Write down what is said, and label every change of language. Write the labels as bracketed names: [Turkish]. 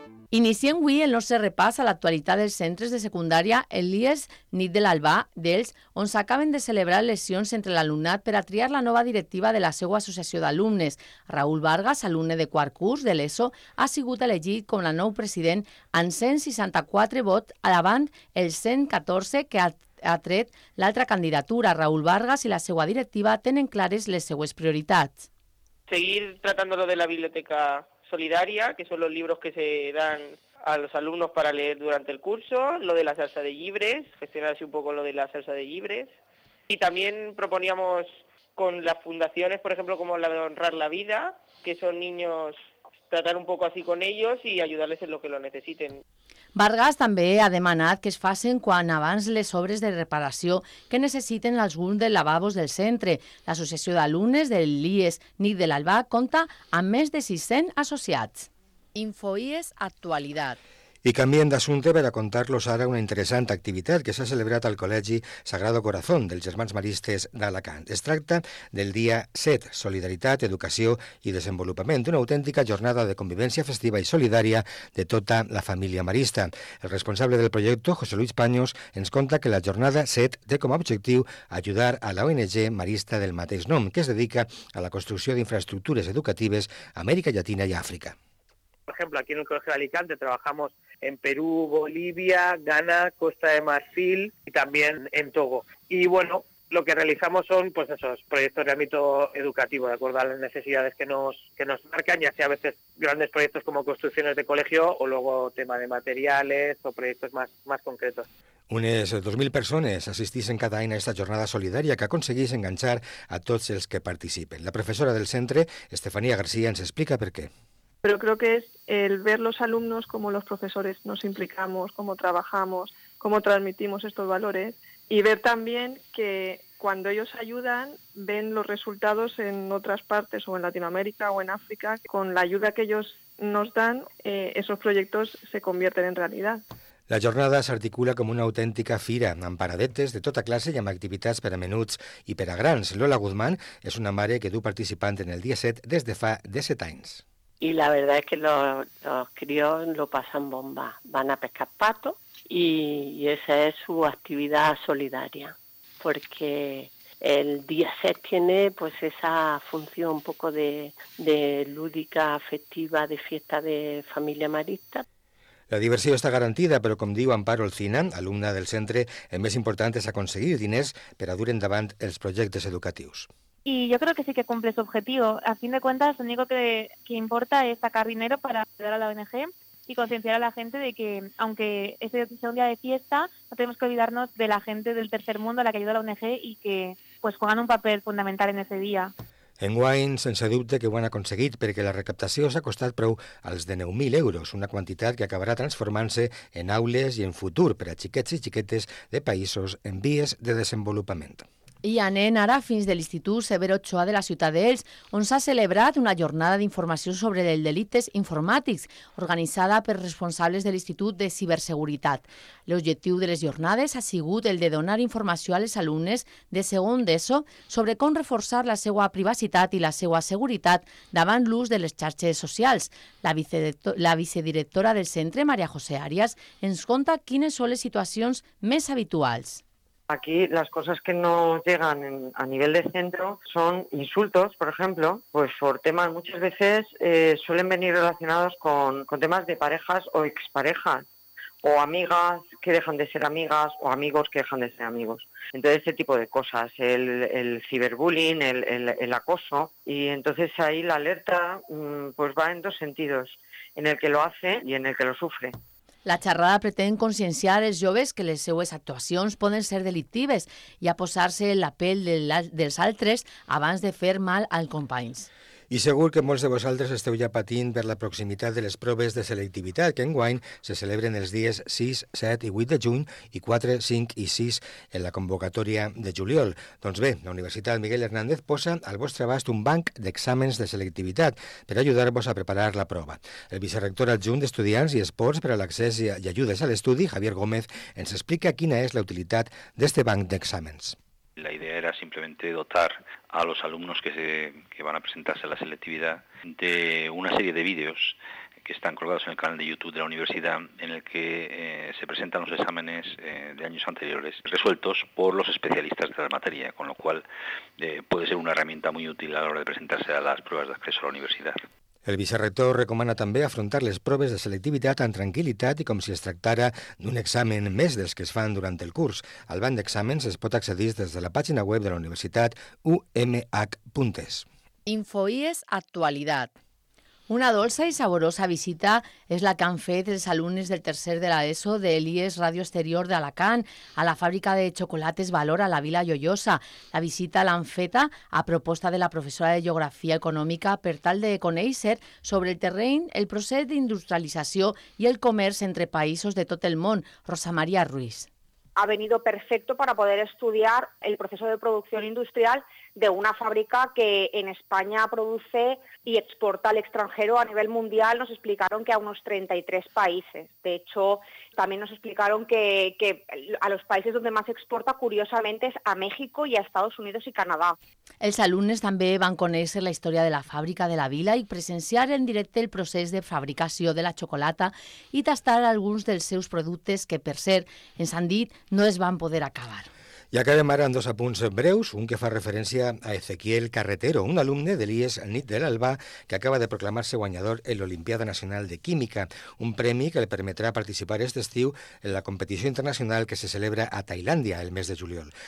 [Catalan] Iniciem avui el nostre repàs a l'actualitat dels centres de secundària el IES Nit de l'Albà d'Els, on s'acaben de celebrar eleccions entre l'alumnat per a triar la nova directiva de la seva associació d'alumnes. Raül Vargas, alumne de quart curs de l'ESO, ha sigut elegit com el nou president amb 164 vots davant els 114 que ha tret l'altra candidatura. Raül Vargas i la seva directiva tenen clares les seues prioritats. [Spanish] Seguir tratándolo de la biblioteca solidaria, que son los libros que se dan a los alumnos para leer durante el curso, lo de la [Catalan] salsa de llibres, [Spanish] gestionar así un poco lo de la salsa de llibres. Y también proponíamos con las fundaciones, por ejemplo, como la de Honrar la Vida, que son niños, tratar un poco así con ellos y ayudarles en lo que lo necesiten. [Catalan] Vargas també ha demanat que es facin quan abans les obres de reparació que necessiten alguns dels lavabos del centre. L'associació d'alumnes de l'IES Nit de l'Albà compta amb més de 600 associats. InfoIES Actualitat. I canviem d'assumpte per a contar-los ara una interessant activitat que s'ha celebrat al Col·legi Sagrado Corazón dels Germans Maristes d'Alacant. Es tracta del dia 7, Solidaritat, Educació i Desenvolupament, una autèntica jornada de convivència festiva i solidària de tota la família marista. El responsable del projecte, José Luis Paños, ens conta que la jornada 7 té com a objectiu ajudar a la ONG marista del mateix nom, que es dedica a la construcció d'infraestructures educatives a Amèrica Llatina i Àfrica. [Spanish] Por ejemplo, aquí en el Colegio de Alicante trabajamos en Perú, Bolivia, Ghana, Costa de Marfil y también en Togo. Y bueno, lo que realizamos son pues esos proyectos de ámbito educativo, de acuerdo a las necesidades que nos marcan, ya sea a veces grandes proyectos como construcciones de colegio o luego tema de materiales o proyectos más concretos. [Catalan] Unes 2.000 persones assistissin cada any a esta jornada solidària que aconseguís enganxar a tots els que participen. La professora del centre, Estefania García, ens explica per què. [Spanish] Pero creo que es el ver los alumnos como los profesores nos implicamos, cómo trabajamos, cómo transmitimos estos valores y ver también que cuando ellos ayudan ven los resultados en otras partes o en Latinoamérica o en África. Con la ayuda que ellos nos dan, esos proyectos se convierten en realidad. [Catalan] La jornada s'articula com una autèntica fira, amb paradetes de tota classe i amb activitats per a menuts i per a grans. Lola Guzmán és una mare que du participant en el dia 7 des de fa 17 anys. [Spanish] Y la verdad es que los críos lo pasan bomba, van a pescar pato y esa es su actividad solidaria, porque el día 6 tiene pues esa función un poco de lúdica, festiva, de fiesta de familia marista. [Catalan] La diversió està garantida, però com diu Amparo Alcina, alumna del centre, el més important és aconseguir diners per a dur endavant els projectes educatius. [Spanish] Y yo creo que sí que cumple su objetivo. A fin de cuentas, lo único que importa es sacar dinero para ayudar a la ONG y concienciar a la gente de que, aunque este sea un día de fiesta, no tenemos que olvidarnos de la gente del tercer mundo a la que ayuda a la ONG y que pues juegan un papel fundamental en ese día. [Catalan] Enguany, sense dubte que ho han aconseguit, perquè la recaptació s'ha costat prou als de 9.000 euros, una quantitat que acabarà transformant-se en aules i en futur per a xiquets i xiquetes de països en vies de desenvolupament. I anem ara fins de l'Institut Severo Ochoa de la Ciutat d'Els, on s'ha celebrat una jornada d'informació sobre els delictes informàtics, organitzada per responsables de l'Institut de Ciberseguretat. L'objectiu de les jornades ha sigut el de donar informació als alumnes de segon d'ESO sobre com reforçar la seva privacitat i la seva seguretat davant l'ús de les xarxes socials. La vicedirectora del centre, Maria José Arias, ens conta quines són les situacions més habituals. [Spanish] Aquí las cosas que nos llegan a nivel de centro son insultos, por ejemplo, pues por temas muchas veces suelen venir relacionados con temas de parejas o exparejas o amigas que dejan de ser amigas o amigos que dejan de ser amigos. Entonces ese tipo de cosas, el ciberbullying, el acoso, y entonces ahí la alerta pues va en dos sentidos, en el que lo hace y en el que lo sufre. [Catalan] La xerrada pretén conscienciar els joves que les seues actuacions poden ser delictives i a posar-se en la pell dels altres abans de fer mal als companys. I segur que molts de vosaltres esteu ja patint per la proximitat de les proves de selectivitat que enguany se celebren els dies 6, 7 i 8 de juny i 4, 5 i 6 en la convocatòria de juliol. Doncs bé, la Universitat Miguel Hernández posa al vostre abast un banc d'exàmens de selectivitat per ajudar-vos a preparar la prova. El vicerrector adjunt d'Estudiants i Esports per a l'accés i ajudes a l'estudi, Javier Gómez, ens explica quina és la utilitat d'este banc d'exàmens. [Spanish] La idea era simplemente dotar a los alumnos que van a presentarse a la selectividad de una serie de vídeos que están colgados en el canal de YouTube de la universidad en el que se presentan los exámenes de años anteriores resueltos por los especialistas de la materia, con lo cual puede ser una herramienta muy útil a la hora de presentarse a las pruebas de acceso a la universidad. [Catalan] El vicerrector recomana també afrontar les proves de selectivitat amb tranquil·litat i com si es tractara d'un examen més dels que es fan durant el curs. Al banc d'exàmens es pot accedir des de la pàgina web de la Universitat umh.es. InfoIES Actualitat. Una dolça i saborosa visita és la que han fet els alumnes del tercer de l'ESO de l'IES Ràdio Exterior d'Alacant a la fàbrica de xocolates Valor a la Vila Joiosa. La visita l'han feta a proposta de la professora de Geografia Econòmica per tal de conèixer sobre el terreny, el procés d'industrialització i el comerç entre països de tot el món, Rosa Maria Ruiz. [Spanish] Ha venido perfecto para poder estudiar el proceso de producción industrial de una fábrica que en España produce y exporta al extranjero a nivel mundial. Nos explicaron que a unos 33 países. De hecho, también nos explicaron que a los países donde más exporta, curiosamente, es a México y a Estados Unidos y Canadá. [Catalan] Els alumnes també van conèixer la història de la fàbrica de la vila i presenciar en directe el procés de fabricació de la xocolata i tastar alguns dels seus productes que, per cert, ens han dit, no es van poder acabar. I acabem ara amb dos apunts breus, un que fa referència a Ezequiel Carretero, un alumne de l'IES Nit de l'Alba que acaba de proclamar-se guanyador en l'Olimpiada Nacional de Química, un premi que li permetrà participar aquest estiu en la competició internacional que se celebra a Tailàndia el mes de juliol.